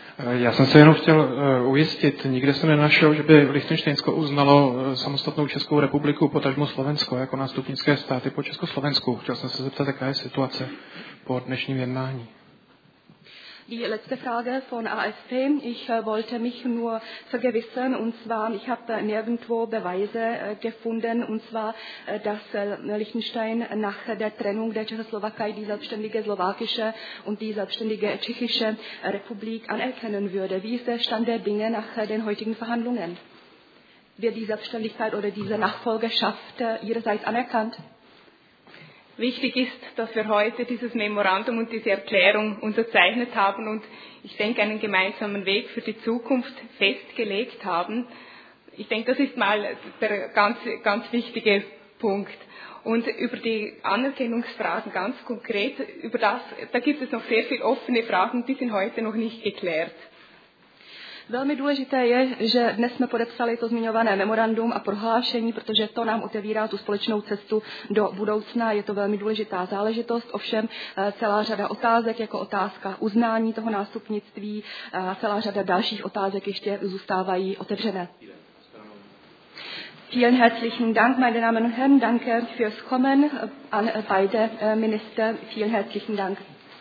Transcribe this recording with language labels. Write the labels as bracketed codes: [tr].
[cs] Já jsem se jenom chtěl ujistit, nikde jsem nenašel, že by Lichtenštejnsko uznalo samostatnou Českou republiku, potažmo Slovensko, jako nástupnické státy po Československu. Chtěl jsem se zeptat, jaká je situace po dnešním jednání. [de] Die letzte Frage von AfD. Ich wollte mich nur vergewissern, und zwar, ich habe nirgendwo Beweise gefunden, und zwar, dass Liechtenstein nach der Trennung der Tschechoslowakei die selbstständige slowakische und die selbstständige tschechische Republik anerkennen würde. Wie ist der Stand der Dinge nach den heutigen Verhandlungen? Wird die Selbstständigkeit oder diese Nachfolgerschaft ihrerseits anerkannt? Wichtig ist, dass wir heute dieses Memorandum und diese Erklärung unterzeichnet haben und ich denke einen gemeinsamen Weg für die Zukunft festgelegt haben. Ich denke, das ist mal der ganz, ganz wichtige Punkt. Und über die Anerkennungsfragen ganz konkret, über das, da gibt es noch sehr viele offene Fragen, die sind heute noch nicht geklärt. [cs] Velmi důležité je, že dnes jsme podepsali to zmiňované memorandum a prohlášení, protože to nám otevírá tu společnou cestu do budoucna. Je to velmi důležitá záležitost, ovšem celá řada otázek, jako otázka uznání toho nástupnictví, celá řada dalších otázek ještě zůstávají otevřené. Vielen herzlichen Dank, meine Damen und Herren, danke fürs Kommen an beide Minister. Vielen herzlichen Dank.